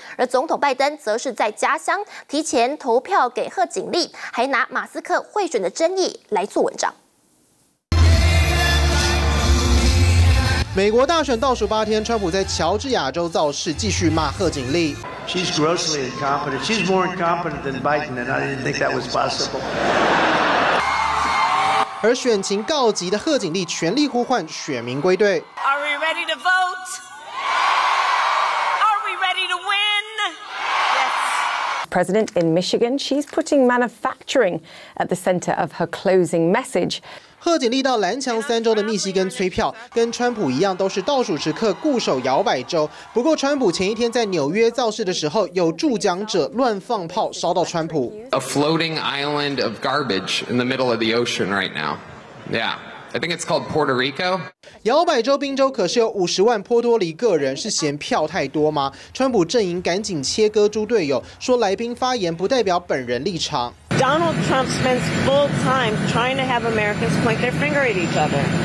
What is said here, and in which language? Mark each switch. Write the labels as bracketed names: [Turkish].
[Chinese] 而总统拜登则是在家乡提前投票给贺锦丽，还拿马斯克贿选的争议来做文章。美国大选倒数8天，川普在乔治亚州造势，继续骂贺锦丽。 [English] She's grossly incompetent. She's more incompetent than Biden, and I didn't think that was possible. [Chinese] 而选情告急的贺锦丽全力呼唤选民归队。 [English] Are we ready to vote? Are we ready to win? Yes. President in Michigan, she's putting manufacturing at the center of her closing message. [Chinese] 贺锦丽到蓝墙三州的密西根催票，跟川普一样都是倒数时刻固守摇摆州。不过川普前一天在纽约造势的时候，有助讲者乱放炮烧到川普。 [English] A floating island of garbage in the middle of the ocean right now. Yeah. I think it's called Puerto Rico. [Chinese] 摇摆州宾州可是有50万波多黎各人，是嫌票太多吗？川普阵营赶紧切割猪队友，说来宾发言不代表本人立场。 [English] Donald Trump spends full time trying to have Americans point their finger at each other.